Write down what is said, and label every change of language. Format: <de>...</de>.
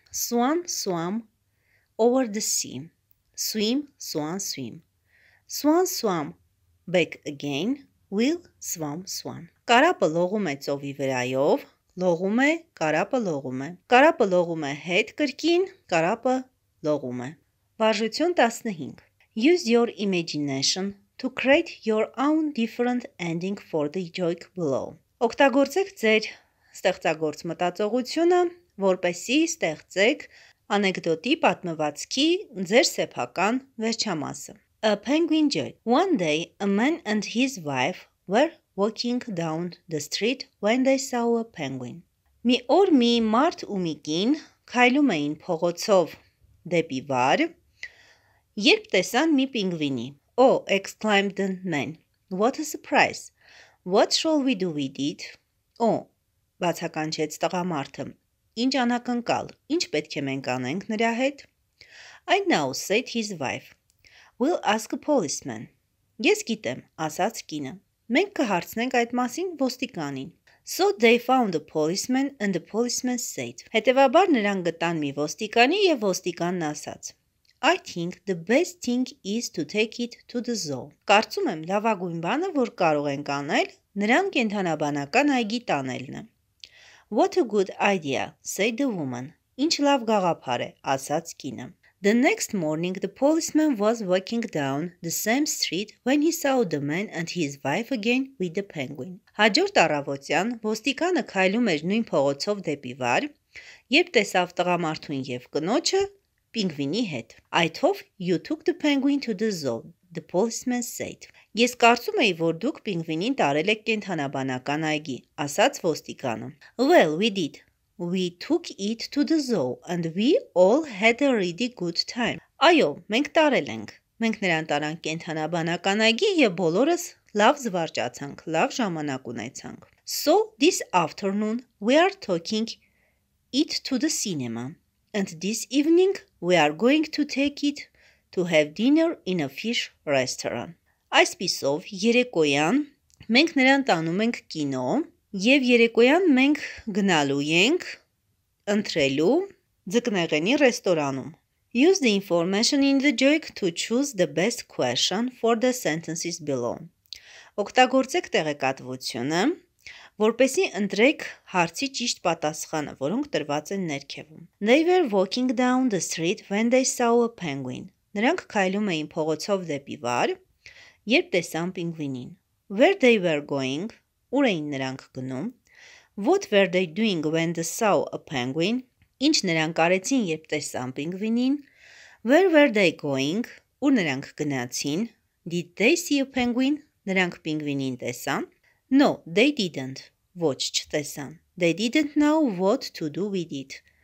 <en>Swan, swam, over the sea. Swim, swan, swim. Swan, swam, back again, will, swam, swan.</en> <hy>Կարապը լողում է ծովի վրայով. Լողում է, կարապը լողում է։ Կարապը լողում է հետ կրկին, կարապը լողում է։ Վարժություն 15.</hy> <en>Use your imagination to create your own different ending for the joke below.</en> <hy>Օգտագործեք ձեր ստեղծագործ մտածողությունը, որպեսզի ստեղծեք անեկդոտի պատմվածքի ձեր սեփական վերջամասը։</hy> <en>A penguin joke. One day, a man and his wife were walking down the street when they saw a penguin.</en> <hy>Մի օր մի մարդ ու մի կին քայլում էին փողոցով դեպի վար, երբ տեսան մի պինգվինի.</hy> <en>Oh, exclaimed the man. What a surprise. What shall we do with it?</en> <hy>Oh, բացականչեց տղամարդը. Ինչ անակնկալ, ինչ պետք է մենք անենք նրա հետ?</hy> <en>I know, said his wife. We'll ask a policeman.</en> <hy>Ես գիտեմ, ասաց կինը. Մենք կհարցնենք այդ մասին ոստիկանին.</hy> <en>So they found a policeman and the policeman said.</en> <hy>Հետևաբար նրանք գտան մի ոստիկանի և ոստիկանն ասաց.</hy> <en>I think the best thing is to take it to the zoo.</en> <hy>Կարծում եմ լավագույն բանը, որ կարող ենք անել, նրան կենդանաբանական այգի տանելն է.</hy> <en>What a good idea, said the woman.</en> <hy>Ինչ լավ գաղափար է, ասաց կինը.</hy> <en>The next morning, the policeman was walking down the same street when he saw the man and his wife again with the penguin.</en> <hy>Հաջորդ առավոտյան, ոստիկանը քայլում էր նույն փողոցով դեպի վար, երբ տեսավ տղամարդուն և կնոջը պինգվինի հետ.</hy> <en>Այդով, you took the penguin to the zoo, the policeman said.</en> <hy>Ես կարծում էի, որ դուք պինգվինին տարել եք կենդանաբանական այգի, ասաց ոստիկանը.</hy> <en>Well, we did. We took it to the zoo and we all had a really good time.</en> <hy>Այո, մենք տարել ենք։ Մենք նրան տարանք կենդանաբանական այգի և բոլորս լավ զվարճացանք, լավ ժամանակ ունեցանք։</hy> <en>So this afternoon we are taking it to the cinema and this evening we are going to take it to have dinner in a fish restaurant.</en> <hy>Այսպիսով երեկոյան մենք նրան տանում ենք կինո, և երեկոյան մենք գնալու ենք ընտրելու ձկնեղենի ռեստորանում.</hy> <en>Use the information in the joke to choose the best question for the sentences below.</en> <hy>Օգտագործեք տեղեկատվությունը, որպեսզի ընտրեք հարցի ճիշտ պատասխանը, որոնք տրված են ներքևում.</hy> <en>They were walking down the street when they saw a penguin.</en> <hy>Նրանք քայլում էին փողոցով դեպի վար, երբ տեսան պինգվինին.</hy> <en>Where they were going?</en> <hy>Ուր էին նրանք գնում,</hy> <en>what were they doing when they saw a penguin,</en> <hy>ինչ նրանք արեցին, երբ տեսան պինգվինին,</hy> <en>where were they going,</en> <hy>ուր նրանք գնացին,</hy> <en>did they see a penguin,</en> <hy>նրանք պինգվինին տեսան,</hy> <en>no, they didn't,</en> <hy>ոչ չտեսան,</hy> <en>they didn't know what to do with it,</en>